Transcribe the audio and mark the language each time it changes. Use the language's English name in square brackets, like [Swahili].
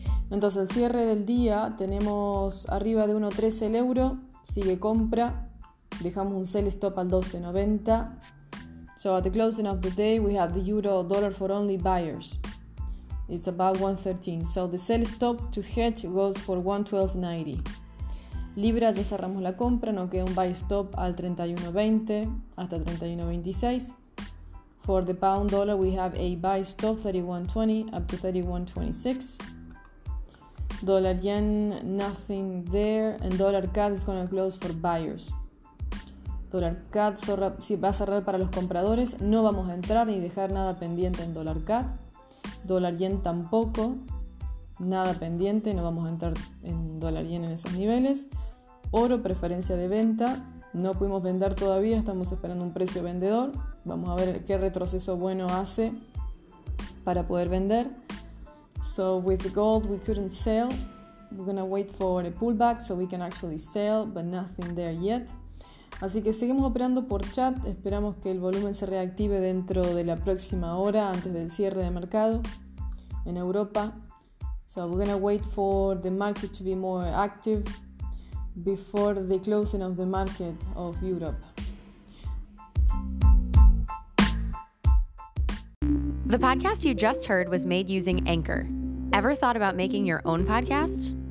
[Spanish] Entonces, el cierre del día tenemos arriba de 1.13 el euro, sigue compra, dejamos un sell stop al 12.90. [English] So at the closing of the day, we have the euro dollar for only buyers. It's about 1.13. So the sell stop to hedge goes for 1.1290. [Spanish] Libra, ya cerramos la compra, nos queda un buy stop al 31.20 hasta 31.26. [English] For the pound dollar, we have a buy stop 31.20 up to 31.26. Dollar yen, nothing there. And dollar CAD is going to close for buyers. [Spanish] Dollar CAD cerra, sí, va a cerrar para los compradores. No vamos a entrar ni dejar nada pendiente en dollar CAD. Dólar yen tampoco, nada pendiente, no vamos a entrar en dólar yen en esos niveles. Oro, preferencia de venta, no pudimos vender todavía, estamos esperando un precio vendedor. Vamos a ver qué retroceso bueno hace para poder vender. [English] So with the gold we couldn't sell, we're gonna wait for a pullback so we can actually sell, but nothing there yet. [Spanish] Así que seguimos operando por chat, esperamos que el volumen se reactive dentro de la próxima hora antes del cierre de mercado en Europa. [English] So we're gonna wait for the market to be more active before the closing of the market of Europe. The podcast you just heard was made using Anchor. Ever thought about making your own podcast?